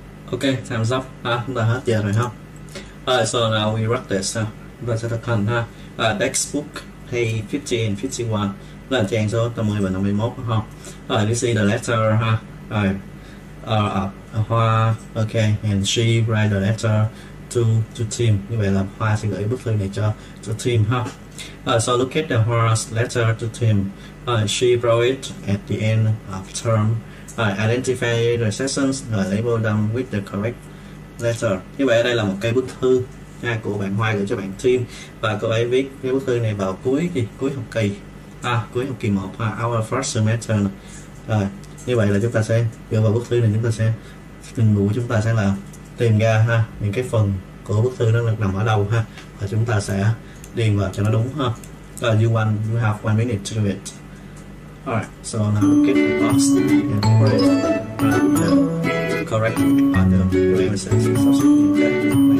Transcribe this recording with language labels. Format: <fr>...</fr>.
<vi>Chúng ta hết giờ rồi không?</vi> <en>So now we wrap this.</en> <vi>Chúng ta sẽ thực hành ha.</vi> <en>Textbook page 50 and 51,</en> <vi>là trang số 50 và 51 không?</vi> <en>This is the letter</en> <vi>ha.</vi> <en>Okay, and she write the letter to Tim.</en> <vi>Như vậy là Hoa sẽ gửi bức thư này cho Tim ha.</vi> <en>So look at the Hoa's letter to Tim. She wrote it at the end of term. Identify the sessions and label them with the correct letter.</en> <vi>Như vậy đây là một cái bức thư nha, của bạn Hoa gửi cho bạn Tim, và cô ấy viết cái bức thư này vào cuối học kỳ. Cuối học kỳ 1 ha,</vi> <en>our first semester.</en> <vi>Như vậy là chúng ta sẽ dựa vào bức thư này, chúng ta sẽ nhiệm vụ chúng ta sẽ là tìm ra ha những cái phần của bức thư nó nằm ở đâu ha, và chúng ta sẽ điền vào cho nó đúng ha.</vi> <en>You have 1 minute to do it. Alright, so now look at the box and write the correct on the premises.</en>